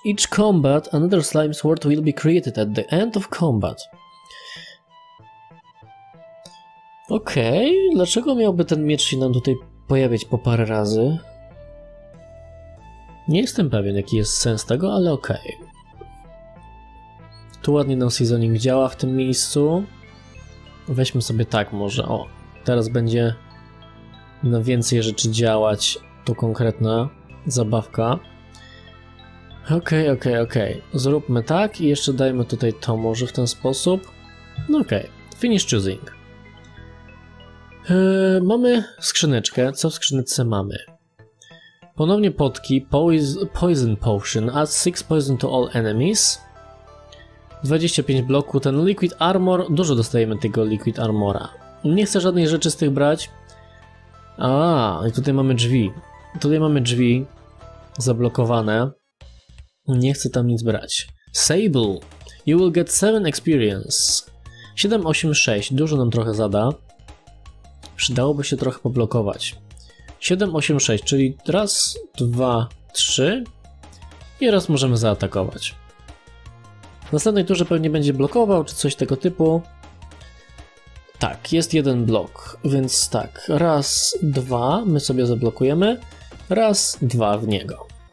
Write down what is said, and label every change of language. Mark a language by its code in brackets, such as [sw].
[en] Each combat, another Slime Sword will be created at the end of combat. [pl] Okej, dlaczego miałby ten miecz się nam tutaj pojawiać po parę razy? Nie jestem pewien, jaki jest sens tego, ale okej. Tu ładnie nam seasoning działa w tym miejscu. Weźmy sobie tak może. O, teraz będzie na więcej rzeczy działać tu konkretna zabawka. Okej. Zróbmy tak i jeszcze dajmy tutaj to może w ten sposób. No okej, [en] finish choosing. [pl] Mamy skrzyneczkę. Co w skrzyneczce mamy? Ponownie potki. Poison potion. [en] Add 6 poison to all enemies. [pl] 25 bloku, ten Liquid Armor, dużo dostajemy tego Liquid Armora. Nie chcę żadnej rzeczy z tych brać. A, i tutaj mamy drzwi. Tutaj mamy drzwi zablokowane. Nie chcę tam nic brać. [en] Sable, you will get 7 experience. [pl] 7, 8, 6, dużo nam trochę zada. Przydałoby się trochę poblokować. 7, 8, 6, czyli raz, dwa, trzy. I raz możemy zaatakować. W następnej turze pewnie będzie blokował, czy coś tego typu. Tak, jest jeden blok, więc tak, raz, dwa, my sobie zablokujemy, raz, dwa w niego.